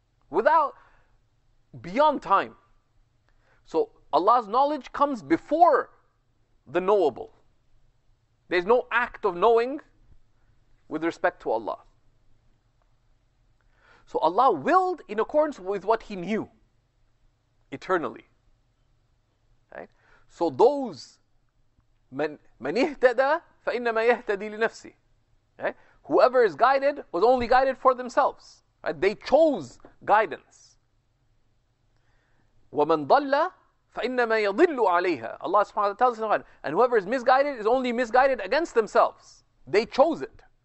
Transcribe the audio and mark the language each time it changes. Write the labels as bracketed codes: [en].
[en] Without, beyond time. So Allah's knowledge comes before the knowable. There's no act of knowing with respect to Allah. So Allah willed in accordance with what He knew eternally. Right? So those [ar] من اهتدى فإنما يهتدي لنفسي. [en] Right? Whoever is guided was only guided for themselves. Right? They chose guidance. [ar] ومن ضل فإنما يضل عليها. [en] Allah subhanahu wa ta'ala tells us in the Quran, and whoever is misguided is only misguided against themselves. They chose it.